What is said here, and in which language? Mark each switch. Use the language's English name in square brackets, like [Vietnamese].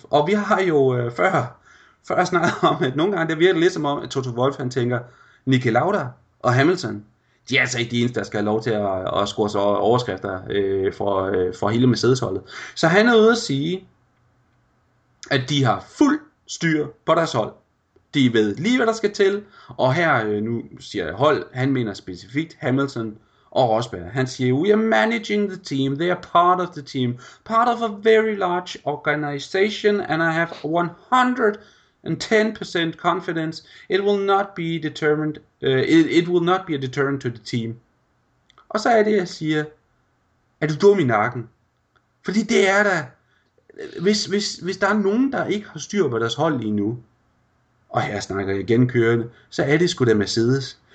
[Danish] Og vi har jo før snakket om, at nogle gange, det virker lidt som om, at Toto Wolff, han tænker, Niki Lauda og Hamilton, de er altså ikke de eneste, der skal have lov til at score sig overskrifter for hele Mercedes-holdet. Så han er ude at sige, at de har fuld styr på deres hold. De ved lige, hvad der skal til. Og her, nu siger jeg hold, han mener specifikt Hamilton og Rosberg. Han siger, [English] we are managing the team, they are part of the team, part of a very large organization, and I have 110% confidence it will not be determined, it will not be a deterrent to the team. [Danish] Og så er det, jeg siger, er du dum i nakken? Fordi det er da, hvis der er nogen, der ikke har styr på deres hold lige nu, og her snakker jeg genkørende, så er det sgu da Mercedes.